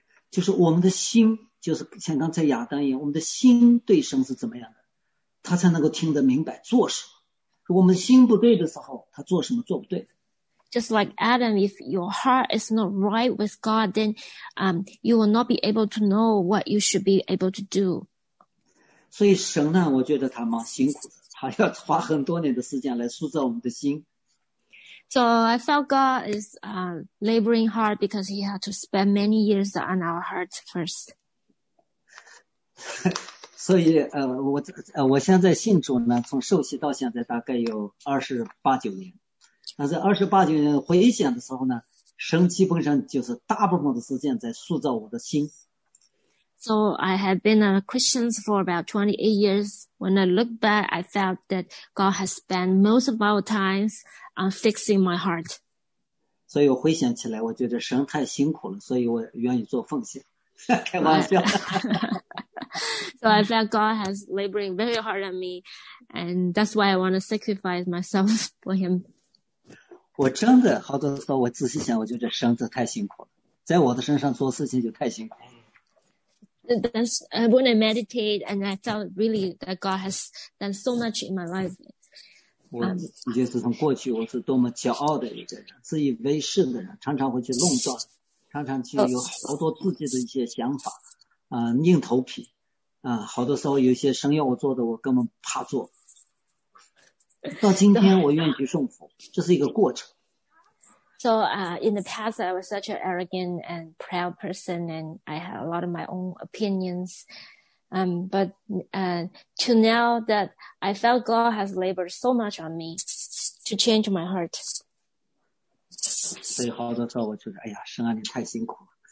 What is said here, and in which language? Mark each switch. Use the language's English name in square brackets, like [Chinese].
[Chinese] 就是我们的心，就是像刚才亚当一样，我们的心对神是怎么样的，他才能够听得明白做什么。如果我们心不对的时候，他做什么做不对。 [English] Just like Adam, if your heart is not right with God, then you will not be able to know what you should be able to do. [Chinese] 所以神呢，我觉得他蛮辛苦的，他要花很多年的时间来塑造我们的心。 [English] So I felt God is laboring hard because he had to spend many years on our hearts first. [Chinese] 所以我现在信主呢，从受洗到现在大概有28、29年。那在28、29年回想的时候呢，神基本上就是大部分的时间在塑造我的心。 [English] So I have been a Christian for about 28 years. When I look back, I felt that God has spent most of our times on fixing my heart. [Chinese] 所以我回想起来，我觉得神太辛苦了，所以我愿意做奉献。开玩笑。 [English] So I felt God has laboring very hard on me, and that's why I want to sacrifice myself for Him. [Chinese] 我真的好多时候，我仔细想，我觉得神子太辛苦了，在我的身上做事情就太辛苦了。 [English] That's when I meditate, and I felt really that God has done so much in my life. [Chinese] 我已经是从过去，我是多么骄傲的一个人，自以为是的人，常常会去弄撞，常常去有好多自己的一些想法。硬头皮，好多时候有些神要我做的，我根本怕做。到今天，我愿意去顺服，这是一个过程。 [English] So, in the past, I was such an arrogant and proud person, and I had a lot of my own opinions. But to now that I felt God has labored so much on me to change my heart. [Chinese] 所以好多时候我就是，哎呀，神啊，你太辛苦了。